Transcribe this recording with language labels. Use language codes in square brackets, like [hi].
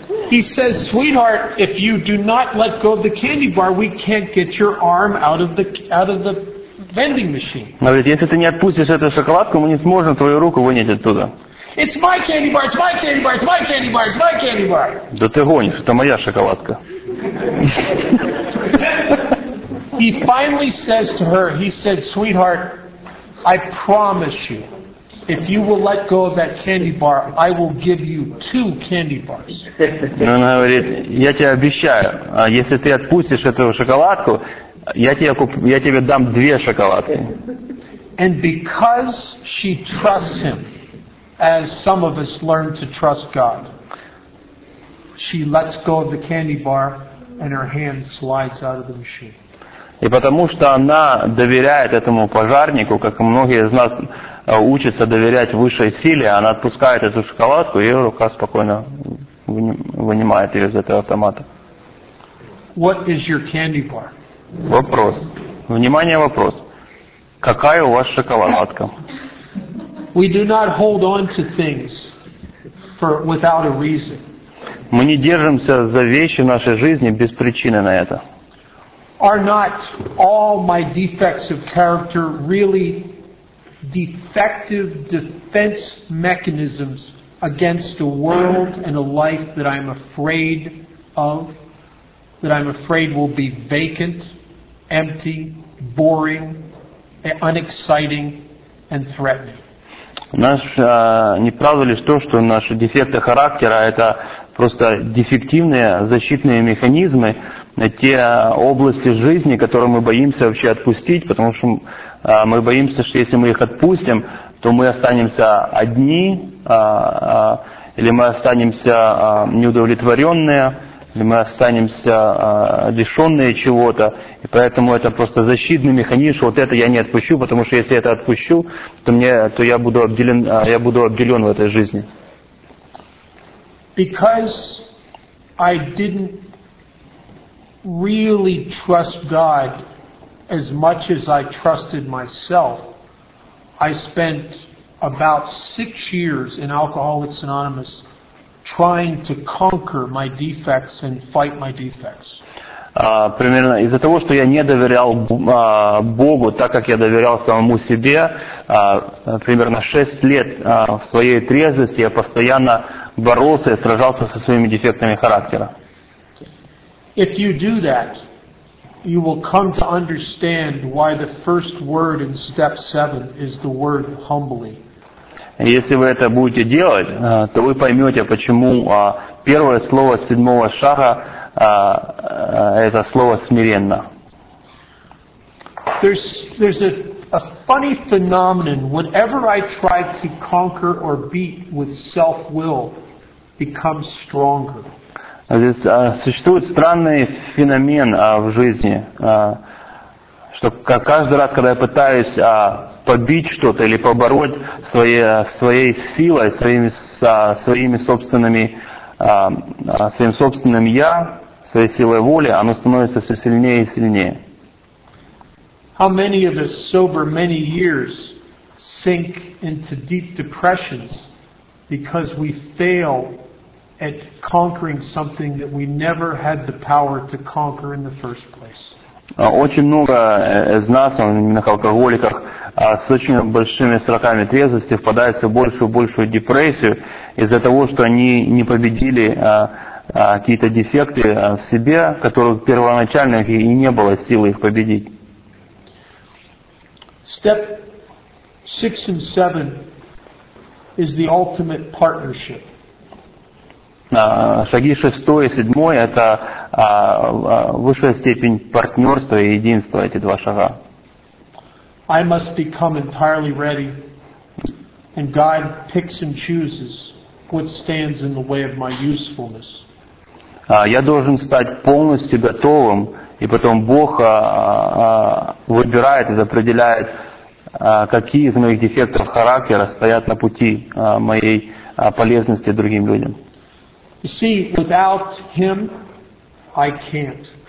[en] He says, "Sweetheart, if you do not let go of the candy bar, we can't get your arm out of the vending machine." [ru] Она говорит, если ты не отпустишь эту шоколадку, мы не сможем твою руку вынять оттуда. [en] It's my candy bar, it's my candy bar, it's my candy bar, it's my candy bar. [ru] Да ты гонишь, это моя шоколадка. [en] He finally says to her, he said, "Sweetheart, I promise you, if you will let go of that candy bar, I will give you two candy bars." [ru] Ну, она говорит, я тебе обещаю, если ты отпустишь эту шоколадку, я тебе дам две шоколадки. [en] And because she trusts him, as some of us learn to trust God, she lets go of the candy bar and her hand slides out of the machine. [ru] И потому что она доверяет этому пожарнику, как и многие из нас учатся доверять высшей силе, она отпускает эту шоколадку, и ее рука спокойно вынимает ее из этого автомата. [en] What is your candy bar? [ru] Вопрос. Внимание, вопрос. Какая у вас шоколадка? [en] We do not hold on to things for, without a reason. [ru] Мы не держимся за вещи в нашей жизни без причины на это. [en] Are not all my defects of character really defective defense mechanisms against a world and a life that I'm afraid of, that I'm afraid will be vacant, empty, boring, unexciting, and threatening? [ru] Не правда ли то, что наши дефекты характера — это просто дефективные защитные механизмы, те области жизни, которые мы боимся вообще отпустить, потому что мы боимся, что если мы их отпустим, то мы останемся одни, или мы останемся неудовлетворенные, или мы останемся лишенные чего-то, и поэтому это просто защитный механизм, что вот это я не отпущу, потому что если это отпущу, то я буду обделен, в этой жизни. [en] Because I didn't really trust God as much as I trusted myself, I spent about 6 years in Alcoholics Anonymous trying to conquer my defects and fight my defects. [ru] Примерно из-за того, что я не доверял Богу, так как я доверял самому себе, примерно 6 лет в своей трезвости я постоянно боролся и сражался со своими дефектами характера. [en] If you do that, you will come to understand why the first word in step 7 is the word humbly. [ru] Если вы это будете делать, то вы поймете, почему первое слово седьмого шага это слово смиренно. [en] There's a funny phenomenon. Whatever I try to conquer or beat with self-will becomes stronger. [ru] Здесь существует странный феномен в жизни, что каждый раз, когда я пытаюсь побить что-то или побороть своей силой, своим собственным я, своей силой воли, оно становится все сильнее и сильнее. [en] How many of us sober many years sink into deep depressions because we fail at conquering something that we never had the power to conquer in the first place. [ru] Очень много из нас, именно алкоголиков, с очень большими сроками трезвости впадают все больше и больше в депрессию из-за того, что они не победили какие-то дефекты в себе, которых первоначально и не было силы их победить. [en] Step 6 and 7 is the ultimate partnership. [ru] Шаги 6 и 7 — это высшая степень партнерства и единства, эти два шага. [en] I must become entirely ready, and God picks and chooses what stands in the way of my usefulness. [ru] Я должен стать полностью готовым, и потом Бог выбирает и определяет, какие из моих дефектов характера стоят на пути моей полезности другим людям. [en] You see, without him, I can't.